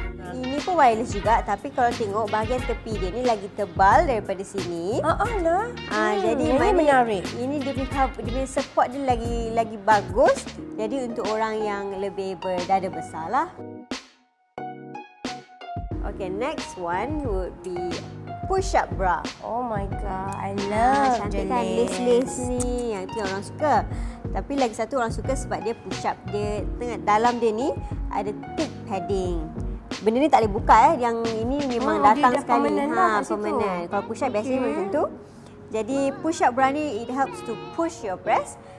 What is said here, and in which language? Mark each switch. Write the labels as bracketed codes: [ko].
[ms] Ini pun wireless juga tapi kalau tengok bahagian tepi dia ni lagi tebal daripada sini. Jadi ini menarik. Ini dia punya support dia lagi bagus. Jadi untuk orang yang lebih berdada besar lah. [en] Okay, next one would be push-up bra. Oh my god, I love [ms] jenis. Cantik kan lace-lace ni. Yang tu orang suka. Tapi lagi satu orang suka sebab dia push-up dia tengah dalam dia ni ada thick padding. Benda ni tak boleh buka eh. Yang ini memang datang sekali. Permanent. Kalau push up biasanya macam tu. [en] Jadi push up bra ni it helps to push your breast.